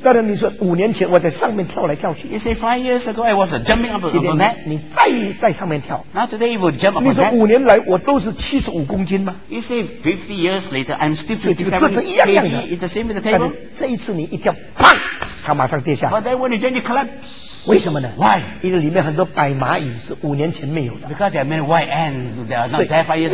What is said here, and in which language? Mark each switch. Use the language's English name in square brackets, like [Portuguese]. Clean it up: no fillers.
[Chinese] 再来你说五年前我在上面跳来跳去 [English] You say five years ago I was jumping up on that. [Chinese] 你在上面跳 [English] Now today you will jump up on that. [Chinese] 你说五年来我都是七十五公斤吗 [English] You say 50 years later I'm still 57 [Chinese] kg. 这个桌子一样样的 [English] It's the same with the table. [Chinese] 这一次你一跳砰它马上跌下 [English] But then when you change it collapse. [Chinese] 为什么呢 [English] ？Why？ [Chinese] 因为里面很多白蚂蚁是五年前没有的。 [English] Because there are many white ants that are not there 5 years ago.